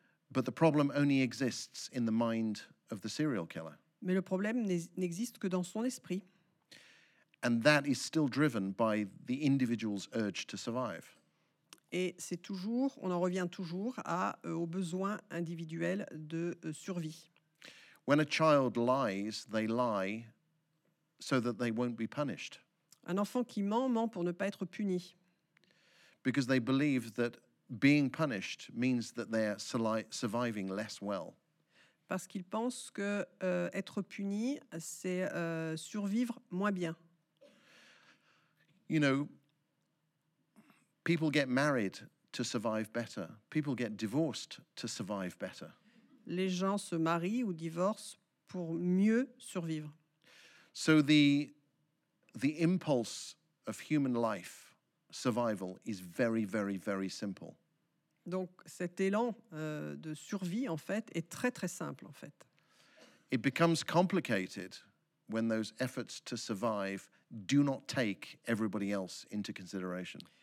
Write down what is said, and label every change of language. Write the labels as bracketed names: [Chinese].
[English] But the problem only exists in the mind of the serial killer. [French] Mais le problème n'existe que dans son esprit. [English] And that is still driven by the individual's urge to survive. [French] Et c'est toujours, on en revient toujours aux besoins individuels de survie. [English] When a child lies, they lie so that they won't be punished. [French] Un enfant qui ment pour ne pas être puni. [English] Because they believe that being punished means that they're surviving less well. [French] Parce qu'ils pensent que être puni, c'est survivre moins bien. [English] You know, people get married to survive better. People get divorced to survive better. [French] Les gens se marient ou divorcent pour mieux survivre. [English] So the impulse of human life, survival, is very, very, very simple. [French] Donc cet élan de survie, en fait, est très, très simple, en fait. [English] It becomes complicated when those efforts to survive do not take everybody else into consideration.